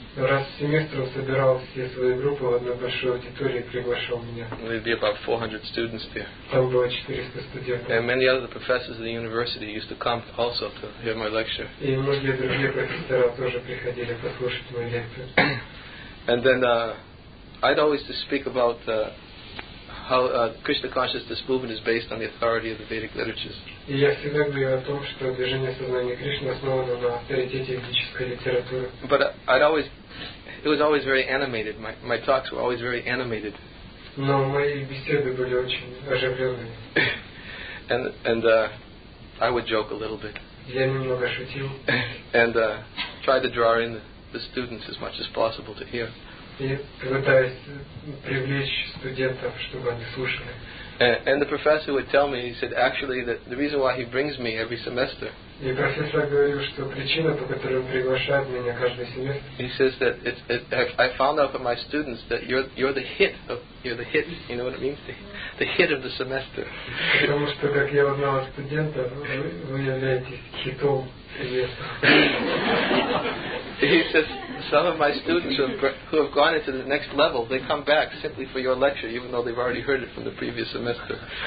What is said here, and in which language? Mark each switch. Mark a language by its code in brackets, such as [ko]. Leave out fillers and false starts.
[ru] Раз в семестр он собирал все свои группы в одну большую аудиторию и приглашал меня. [en] There'd be about 400 students there. [ru] Там было 400 студентов. [en] And many other professors of the university used to come also to hear my lecture. [ru] И многие другие профессора тоже приходили послушать мою лекцию. [en] And then I'd always to speak about how Krishna consciousness movement is based on the authority of the Vedic literatures. [ru] И я всегда говорю о том, что движение сознания Кришны основано на авторитете ведической литературы. [en] But it was always very animated. My talks were always very animated. [ru] Но мои беседы были очень оживленные. [en] And I would joke a little bit. [ru] Я немного шутил. [en] And try to draw in the students as much as possible to hear. [ru] И пытаюсь привлечь студентов, чтобы они слушали. [en] And the professor would tell me, he said, actually, that the reason why he brings me every semester. [ru] И профессор говорил, что причина, по которой он приглашает меня каждый семестр. [en] He says that I found out from my students that you're the hit. You know what it means? The hit of the semester. [ru] Потому что, как я узнал от студента, вы являетесь хитом семестра. [en] He says some of my students who have gone into the next level, they come back simply for your lecture, even though they've already heard it from the previous semester.